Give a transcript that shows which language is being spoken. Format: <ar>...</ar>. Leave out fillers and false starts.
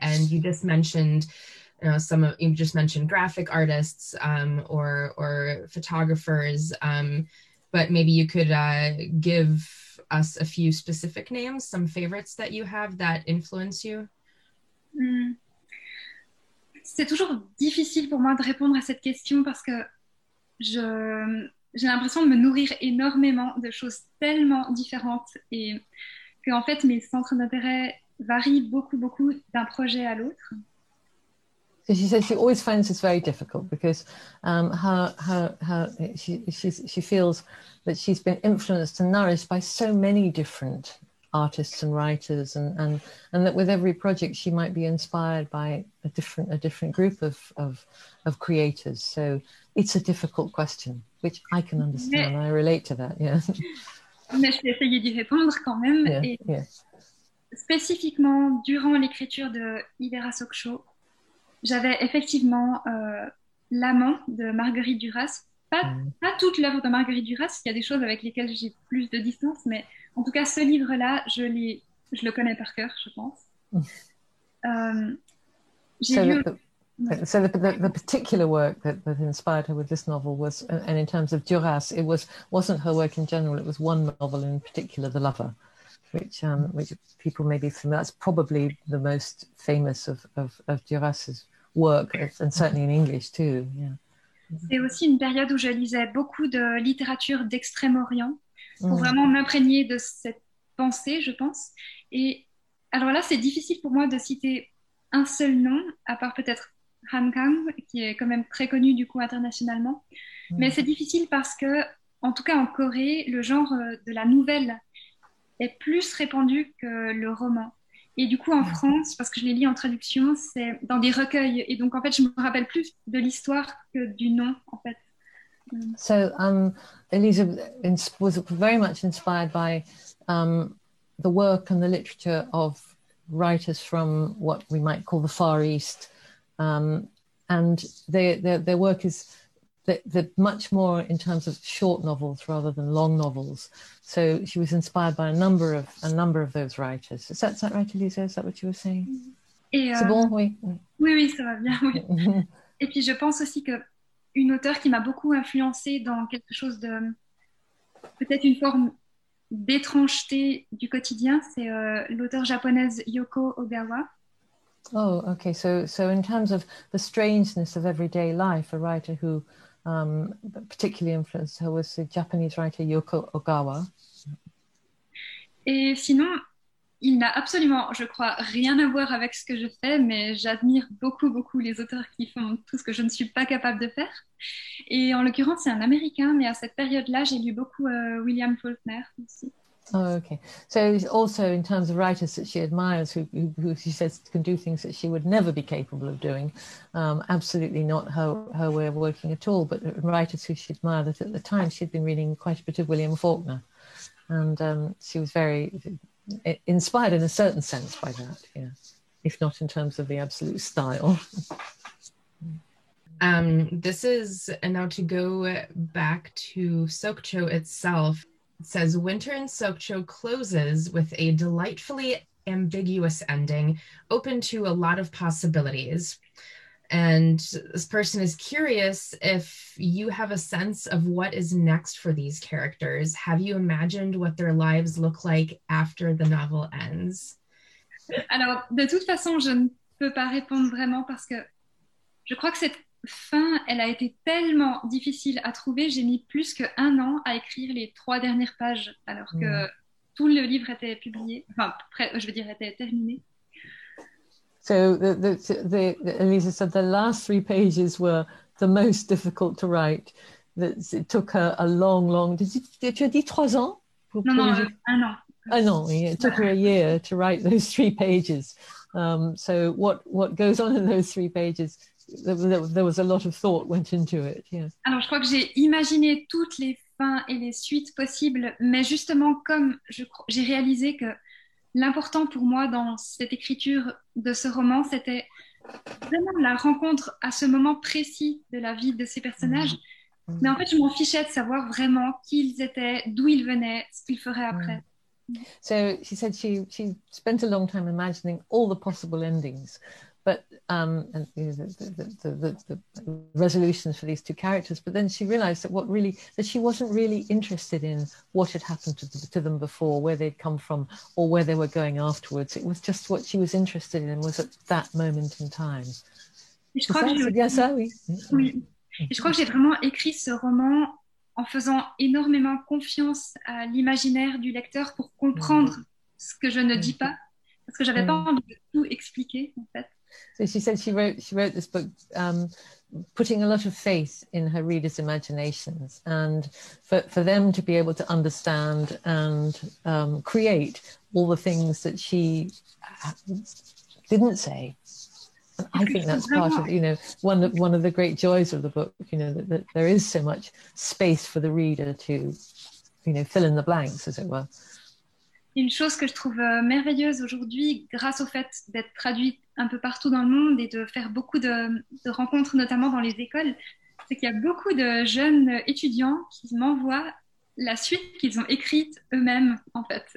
<en>And you just mentioned, you just mentioned graphic artists or photographers, but maybe you could give us a few specific names, some favorites that you have that influence you?</en> <fr>C'est toujours difficile pour moi de répondre à cette question parce que j'ai l'impression de me nourrir énormément de choses tellement différentes et que en fait mes centres d'intérêt varient beaucoup beaucoup d'un projet à l'autre.</fr> <en>So she says she always finds this very difficult because she feels that she's been influenced and nourished by so many different artists and writers, and that with every project she might be inspired by a different group of creators. So it's a difficult question, which I can understand.</en> <fr>Mais,</fr> <en>I relate to that. Yeah.</en> <fr>Mais je vais essayer d'y répondre quand même.</fr> <en>Yeah,</en> <fr>et</fr> <en>yeah.</en> <fr>Spécifiquement durant l'écriture de Ibera Sokcho, j'avais effectivement l'amant de Marguerite Duras. Pas toute l'œuvre de Marguerite Duras. Il y a des choses avec lesquelles j'ai plus de distance, mais en tout cas, ce livre-là, je le connais par cœur, je pense.</fr> <en>The particular work that inspired her with this novel was, and in terms of Duras, it wasn't her work in general. It was one novel in particular, *The Lover*, which people may be familiar. That's probably the most famous of Duras's work, and certainly in English too. Yeah.</en> <fr>C'est aussi une période où je lisais beaucoup de littérature d'Extrême-Orient. Pour vraiment m'imprégner de cette pensée, je pense. Et alors là, c'est difficile pour moi de citer un seul nom, à part peut-être Han Kang, qui est quand même très connu du coup internationalement. Mais c'est difficile parce que, en tout cas en Corée, le genre de la nouvelle est plus répandu que le roman. Et du coup en France, parce que je les lis en traduction, c'est dans des recueils. Et donc en fait, je me rappelle plus de l'histoire que du nom, en fait.</fr> <en>So Eliza was very much inspired by the work and the literature of writers from what we might call the Far East, and their work is they're much more in terms of short novels rather than long novels. So she was inspired by a number of those writers. Is that, right, Eliza? Is that what you were saying?</en> <fr>C'est bon, oui. Oui, oui, ça va bien. Oui. Et puis je pense aussi que une auteure qui m'a beaucoup influencée dans quelque chose de peut-être une forme d'étrangeté du quotidien, c'est l'auteur japonaise Yoko Ogawa.</fr> <en>Oh, okay. So in terms of the strangeness of everyday life, a writer who particularly influenced her was the Japanese writer Yoko Ogawa.</en> <fr>Et sinon, il n'a absolument, je crois, rien à voir avec ce que je fais, mais j'admire beaucoup, beaucoup les auteurs qui font tout ce que je ne suis pas capable de faire. Et en l'occurrence, c'est un Américain, mais à cette période-là, j'ai lu beaucoup William Faulkner aussi.</fr> <en>Oh, okay. So also in terms of writers that she admires, who she says can do things that she would never be capable of doing, absolutely not her way of working at all, but writers who she admired, that at the time she'd been reading quite a bit of William Faulkner. And she was very inspired in a certain sense by that, yeah, if not in terms of the absolute style. This is, and now to go back to Sokcho itself, it says, Winter in Sokcho closes with a delightfully ambiguous ending, open to a lot of possibilities. And this person is curious if you have a sense of what is next for these characters. Have you imagined what their lives look like after the novel ends?</en> <fr>Alors, de toute façon, je ne peux pas répondre vraiment parce que je crois que cette fin, elle a été tellement difficile à trouver. J'ai mis plus qu'un an à écrire les trois dernières pages alors que tout le livre était publié. Enfin, je veux dire, était terminé.</fr> <en>So the Elisa said the last three pages were the most difficult to write. That it took her a long, long. It took her a year to write those three pages. So what goes on in those three pages? There was a lot of thought went into it. Yes.</en> <fr>Alors, je crois que j'ai imaginé toutes les fins et les suites possibles, mais justement comme j'ai réalisé que l'important pour moi dans cette écriture de ce roman, c'était vraiment la rencontre à ce moment précis de la vie de ces personnages. Mm. Mais en fait, je m'en fichais de savoir vraiment qui ils étaient, d'où ils venaient, ce qu'ils feraient après. Mm.</fr> <en>So she said she spent a long time imagining all the possible endings, but and the resolutions for these two characters. But then she realized that she wasn't really interested in what had happened to them before, where they'd come from, or where they were going afterwards. It was just what she was interested in was at that moment in time.</en> <fr>Je crois que j'ai vraiment écrit ce roman en faisant énormément confiance à l'imaginaire du lecteur pour comprendre ce que je ne dis pas, parce que j'avais pas envie de tout expliquer, en fait.</fr> <en>So she said she wrote this book putting a lot of faith in her readers' imaginations and for them to be able to understand and create all the things that she didn't say. And I think that's part of, you know, one of the great joys of the book, you know, that there is so much space for the reader to, you know, fill in the blanks, as it were.</en> <fr>Une chose que je trouve merveilleuse aujourd'hui, grâce au fait d'être traduite un peu partout dans le monde et de faire beaucoup de rencontres, notamment dans les écoles, c'est qu'il y a beaucoup de jeunes étudiants qui m'envoient la suite qu'ils ont écrite eux-mêmes, en fait.</fr>